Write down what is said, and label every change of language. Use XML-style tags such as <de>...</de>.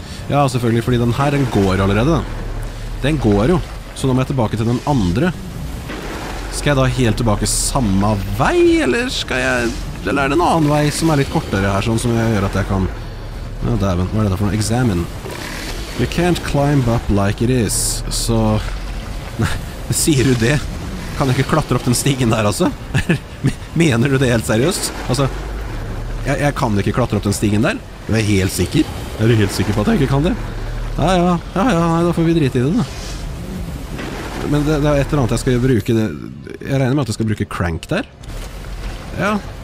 <no>Ja, selvfølgelig, fordi den her, den går allerede. Den går jo. Så nå må jeg tilbake til den andre. Skal jeg da helt tilbake samme vei, eller skal jeg... Eller er det en annen vei som er litt kortere her, sånn som jeg gjør at jeg kan... Ja, dæven, hva er dette for noe?</no> <en>Examine. You can't climb up like it is, så...</en> <no>Nei, sier du det? Kan jeg ikke klatre opp den stigen der, altså? Mener du det helt seriøst? Altså, jeg kan ikke klatre opp den stigen der. Du er helt sikker. Er du helt sikker på at jeg ikke kan det? Ja, da får vi drit i det, da. Men det er et eller annet jeg skal bruke det. Jeg regner med at jeg skal bruke crank der. Ja.</no>